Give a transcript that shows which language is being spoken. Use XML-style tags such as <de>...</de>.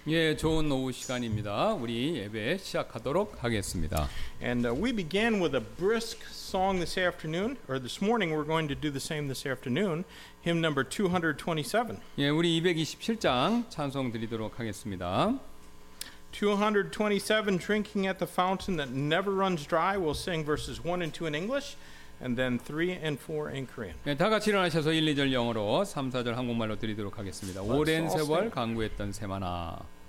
<ko>예, 좋은 오후 시간입니다. 우리 예배 시작하도록 하겠습니다.</ko> <en>And we began with a brisk song this afternoon, or this morning. We're going to do the same this afternoon. Hymn number 227.</en> <ko>예, 우리 227장 찬송 드리도록 하겠습니다.</ko> <en>227, drinking at the fountain that never runs dry. We'll sing verses 1 and 2 in English. And then 3 and 4 in Korean.</en> <ko>네, 다 같이 일어나셔서 1, 2절 영어로, 3, 4절 한국말로 드리도록 하겠습니다. 오랜 세월 간구했던 새만아.</ko>